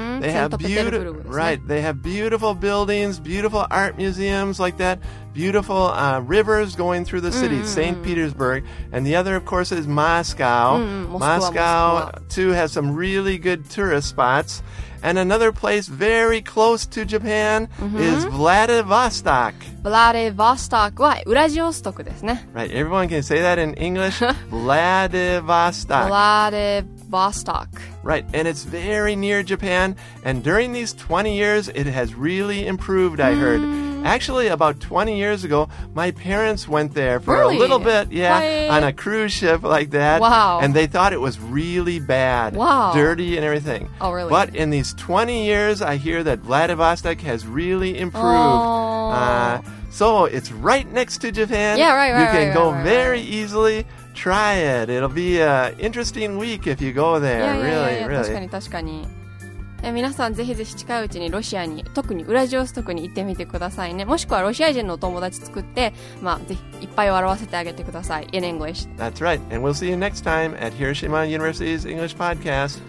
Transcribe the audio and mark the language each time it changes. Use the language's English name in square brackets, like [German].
[English] They have beautiful buildings, beautiful art museums like that, beautiful rivers going through the city, St. Petersburg. And the other, of course, is Moscow. Moscow, too, has some really good tourist spots. And another place very close to Japan is Vladivostok. [Japanese] Vladivostok はウラジオストクですね。 [English] Right, everyone can say that in English. Vladivostok. Vladivostok. Right, and it's very near Japan. And during these 20 years, it has really improved, I heard. Actually, about 20 years ago, my parents went there for really? A little bit, yeah, on a cruise ship like that. Wow. And they thought it was really bad. Wow. Dirty and everything. Oh, really? But in these 20 years, I hear that Vladivostok has really improved. Oh. So it's right next to Japan. Yeah, right. You can go very easily. Try it. It'll be an interesting week if you go there. Yeah, really, yeah, yeah, really. [Japanese] 確かに。皆さんぜひぜひ近いうちにロシアに特にウラジオストクに行ってみてくださいね。もしくはロシア人のお友達作って、まあ、ぜひいっぱい笑わせてあげてください。エネンゴエシ。 [English] That's right. And we'll see you next time at Hiroshima University's English Podcast.